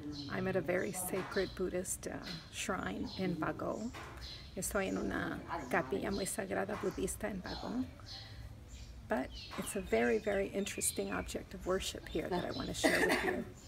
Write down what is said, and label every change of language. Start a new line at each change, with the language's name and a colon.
English: I'm at a very sacred Buddhist shrine in Bago.
Spanish: Estoy en una capilla muy sagrada budista en Bago.
English: But it's a very, very interesting object of worship here that I want to share with you.